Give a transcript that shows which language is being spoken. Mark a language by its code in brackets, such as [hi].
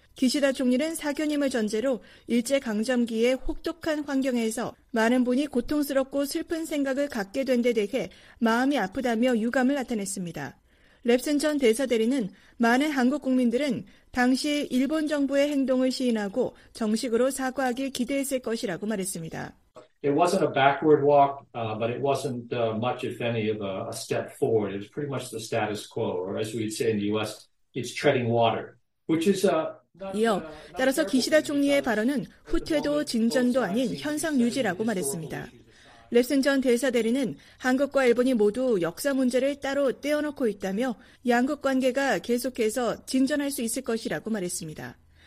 [ko] 기시다 총리는 사견임을 전제로 일제강점기의 혹독한 환경에서 많은 분이 고통스럽고 슬픈 생각을 갖게 된 데 대해 마음이 아프다며 유감을 나타냈습니다. 랩슨 전 대사 대리는 많은 한국 국민들은 당시 일본 정부의 행동을 시인하고 정식으로 사과하길 기대했을 것이라고 말했습니다. [en] It wasn't a backward walk, but it wasn't much, if any, of a step forward. It was pretty much the status quo, or as we'd say in the U.S., it's treading water, which is a [ko] 이어 따라서 기시다 총리의 발언은 후퇴도 진전도 아닌 현상 유지라고 말했습니다. 랩슨 전 대사 대리는 한국과 일본이 모두 역사 문제를 따로 떼어놓고 있다며 양국 관계가 계속해서 진전할 수 있을 것이라고 말했습니다.